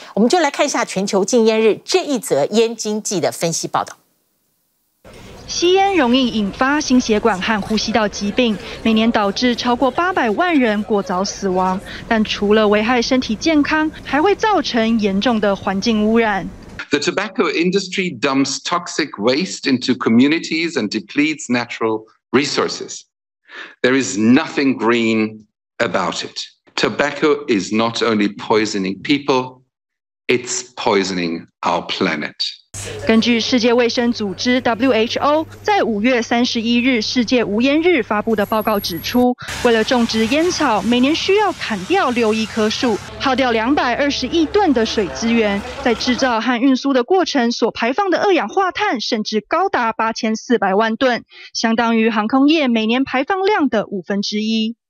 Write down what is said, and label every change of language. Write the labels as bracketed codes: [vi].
[zh] 我们就来看一下全球禁烟日这一则烟经济的分析报道。吸烟容易引发心血管和呼吸道疾病，每年导致超过800万人过早死亡，但除了危害身体健康，还会造成严重的环境污染。 [en] The tobacco industry dumps toxic waste into communities and depletes natural resources. There is nothing green about it. Tobacco is not only poisoning people, it's poisoning our planet. [zh] 根据世界卫生组织 WHO 在5月31日世界无烟日发布的报告指出，为了种植烟草，每年需要砍掉6亿棵树，耗掉220亿吨的水资源，在制造和运输的过程所排放的二氧化碳甚至高达8400万吨，相当于航空业每年排放量的1/5。